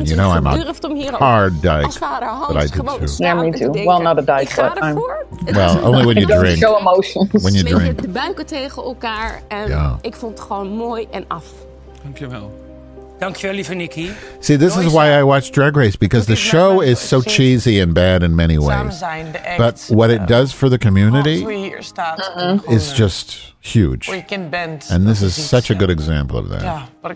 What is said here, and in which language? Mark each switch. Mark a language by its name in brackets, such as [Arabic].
[English] You know, I'm a hard dyke, but I did too. Yeah, me too. Well, not a dyke, but I'm... Well, only when you drink. Show emotions. When you drink. [Dutch] De buiken tegen elkaar en yeah. Ik vond het gewoon mooi en af. Dankjewel. Dankjewel, lieve Nikki. [English] See, this is why I watch Drag Race, because the show is so cheesy and bad in many ways. But what it does for the community is just huge. And this is such a good example of that.